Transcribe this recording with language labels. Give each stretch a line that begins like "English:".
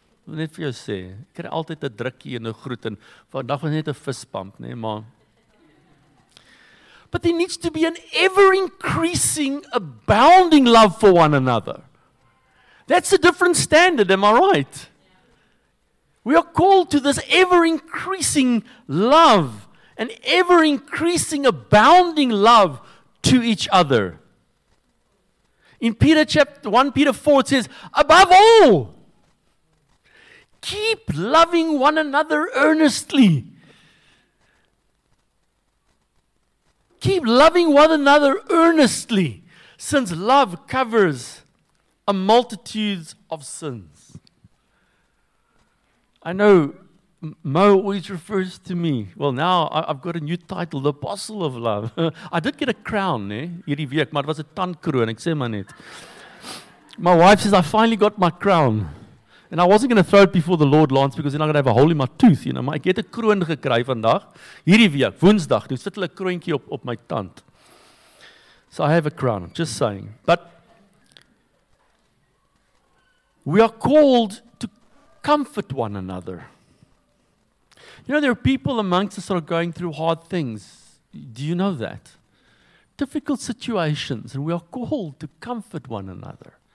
Afrikaans: Net vir jou sê, ek kry altyd 'n drukkie en 'n groet en vandag was net 'n vispamp, né, maar.
English: But there needs to be an ever-increasing, abounding love for one another. That's a different standard, am I right? We are called to this ever-increasing love, an ever-increasing, abounding love to each other. In Peter chapter 1 Peter 4 it says, above all, keep loving one another earnestly. Keep loving one another earnestly, since love covers a multitude of sins. I know Mo always refers to me. Well, now I've got a new title, the Apostle of Love. I did get a crown, eh?
Afrikaans: Hierdie week, maar
English: it was a
Afrikaans: tandkroon, ek sê maar net.
English: My wife says, I finally got my crown. And I wasn't going to throw it before the Lord, Lance, because then I'm going to have a hole in my tooth, you know.
Afrikaans: Maar ek het 'n kroon gekry vandag, hierdie week, Woensdag, toe sit hulle 'n kroontjie op my tand.
English: So I have a crown, I'm just saying. But we are called to comfort one another. You know, there are people amongst us that are going through hard things. Do you know that? Difficult situations, and we are called to comfort one another.